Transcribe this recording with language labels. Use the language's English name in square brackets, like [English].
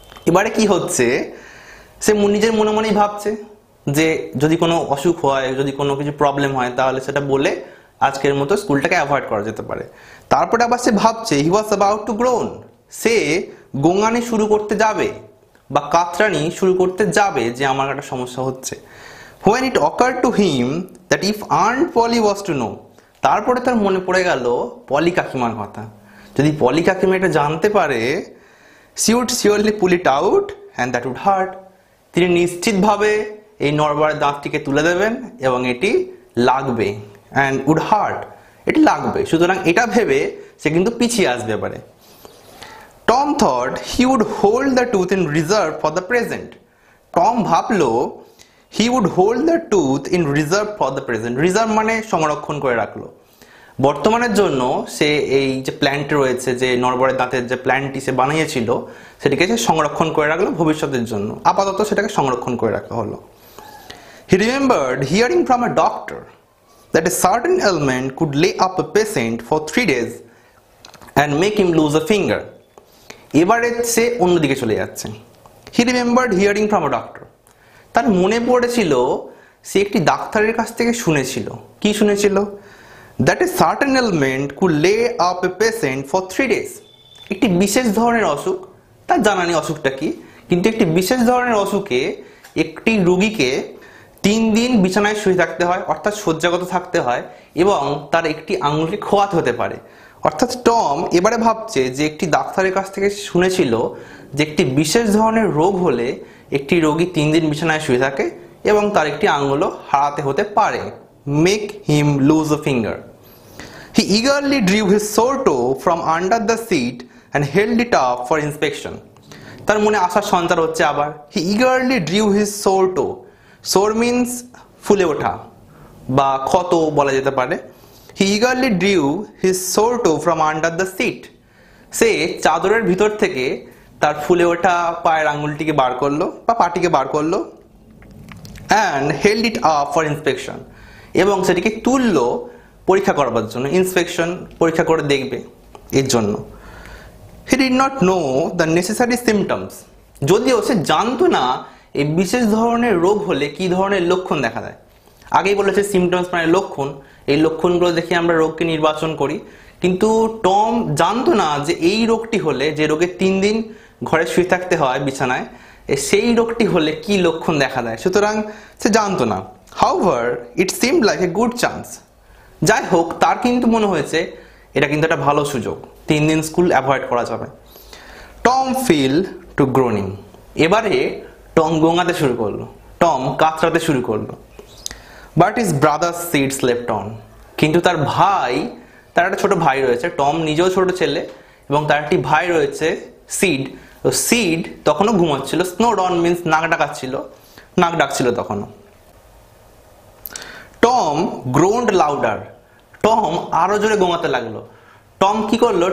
[Bangla] এবারে কি হচ্ছে, সে নিজের মনে মনেই ভাবছে যে যদি কোনো অসুখ হয়, যদি কোনো কিছু প্রবলেম হয়, তাহলে সেটা বলে আজকের মতো স্কুলটাকে অ্যাভয়েড করা যেতে পারে। তারপরে আবার সে ভাবছে [English] he was about to groan, [Bangla] সে গোঙানি শুরু করতে যাবে বা কাতরানি শুরু করতে যাবে যে আমার একটা সমস্যা হচ্ছে। [English] When it occurred to him that if Aunt Polly was to know, [Bangla] তারপরে তার মনে পড়ে গেল পলি কাকিমার কথা, যদি পলি কাকিমা এটা জানতে পারে, [English] she would surely pull it out and that would hurt. [Bangla] তিনি নিশ্চিতভাবে এই নরবার দাঁতটিকে তুলে দেবেন এবং এটি লাগবে, [English] and would hurt, [Bangla] এটি লাগবে, সুতরাং এটা ভেবে সে কিন্তু পিছিয়ে আসবে পারে. [English] Tom thought he would hold the tooth in reserve for the present. Tom [Bangla] ভাবলো [English] he would hold the tooth in reserve for the present. [Bangla] Reserve মানে সংরক্ষণ করে রাখলো বর্তমানের জন্য, সে এই যে প্ল্যান্ট রয়েছে, যে নরবরের দাঁতের যে প্ল্যান্টটি সে বানিয়েছিল সেটিকে সে সংরক্ষণ করে রাখলো ভবিষ্যতের জন্য, আপাতত সেটাকে সংরক্ষণ করে রাখা হলো. [English] He remembered hearing from a doctor that a certain ailment could lay up a patient for 3 days and make him lose a finger. [Bangla] এবারে সে অন্যদিকে চলে যাচ্ছে. [English] He remembered hearing from a doctor. [Bangla] তার মনে পড়েছিল সে একটি ডাক্তারের কাছ থেকে শুনেছিল. কি শুনেছিল? [English] That a certain ailment could lay up a patient for 3 days. [Bangla] একটি বিশেষ ধরনের অসুখ, তার জানা নেই অসুখটা কি, কিন্তু একটি বিশেষ ধরনের অসুখে একটি রোগীকে 3 দিন বিছানায় শুয়ে থাকতে হয়, অর্থাৎ শয্যাগত থাকতে হয়, এবং তার একটি আঙুলে খোয়াত হতে পারে. অর্থাৎ টম এবারে ভাবছে যে একটি ডাক্তারের কাছ থেকে শুনেছিল যে একটি বিশেষ ধরনের রোগ হলে একটি রোগী 3 দিন বিছানায় শুয়ে থাকে এবং তার একটি আঙুলও হারাতে হতে পারে. [English] Make him lose a finger. He eagerly drew his sore toe from under the seat and held it up for inspection. [Bangla] তার মনে আশার সঞ্চার হচ্ছে আবার. [English] He eagerly drew his sore toe. Sore means [Bangla] ফুলে ওঠা বা ক্ষত বলা যেতে পারে. [English] He eagerly drew his sore toe from under the seat. [Bangla] সে চাদরের ভিতর থেকে তার ফুলে ওঠা পায়ের আঙুলটিকে বার করলো বা পাটিকে বার করলো. [English] And held it up for inspection. [Bangla] এবং সেটিকে তুলল পরীক্ষা করবার জন্য, ইন্সপেকশন, পরীক্ষা করে দেখবে এর জন্য. [English] He did not know the necessary symptoms. [Bangla] যদিও সে জানতো না এই বিশেষ ধরনের রোগ হলে কি ধরনের লক্ষণ দেখা দেয়. আগেই বলেছে সিমটমস মানে লক্ষণ, এই লক্ষণগুলো দেখে আমরা রোগকে নির্বাচন করি. কিন্তু টম জানতো না যে এই রোগটি হলে, যে রোগে 3 দিন ঘরে শুয়ে থাকতে হয় বিছানায়, সেই রোগটি হলে কি লক্ষণ দেখা দেয়, সুতরাং সে জানতো না. [English] However, it seemed like a good chance. [Bangla] যাই হোক, তার কিন্তু মনে হয়েছে এটা কিন্তু একটা ভালো সুযোগ, 3 দিন স্কুল অ্যাভয়েড করা যাবে. [English] Tom fell to groaning. [Bangla] এবারে টম গোঙাতে শুরু করলো, টম কাতরাতে শুরু করলো. [English] But his brother's seat slept on. [Bangla] কিন্তু তার ভাই, তার একটা ছোট ভাই রয়েছে, টম নিজেও ছোট ছেলে এবং তার একটি ভাই রয়েছে, সিড, সিড তখনও ঘুমাচ্ছিল. [English] snored on means [Bangla] নাক ডাকাচ্ছিল, নাক ডাকছিল তখনও. [English] Tom groaned louder. [Bangla] টম আরো জোরে গোঙাতে লাগলো. টম কি করলো?